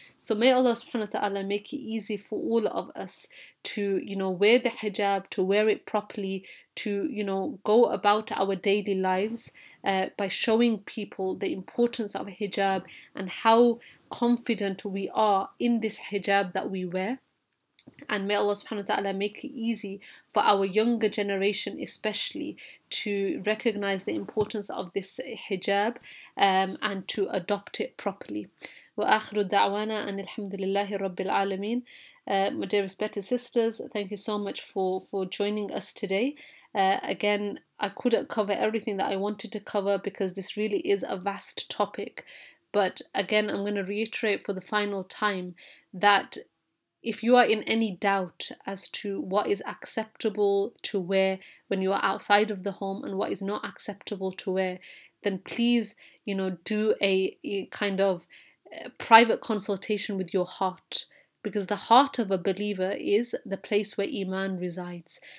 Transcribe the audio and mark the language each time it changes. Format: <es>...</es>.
<en>So may Allah subhanahu wa ta'ala make it easy for all of us to, you know, wear the hijab, to wear it properly, to, you know, go about our daily lives by showing people the importance of hijab and how confident we are in this hijab that we wear. And may Allah subhanahu wa ta'ala make it easy for our younger generation especially to recognize the importance of this hijab and to adopt it properly.</en> <ar>وآخر دعوانا أن الحمد لله رب العالمين.</ar> <en>My dear respected sisters, thank you so much for joining us today. Again, I couldn't cover everything that I wanted to cover because this really is a vast topic. But again, I'm going to reiterate for the final time that if you are in any doubt as to what is acceptable to wear when you are outside of the home and what is not acceptable to wear, then please, you know, do a kind of private consultation with your heart, because the heart of a believer is the place where Iman resides.</en>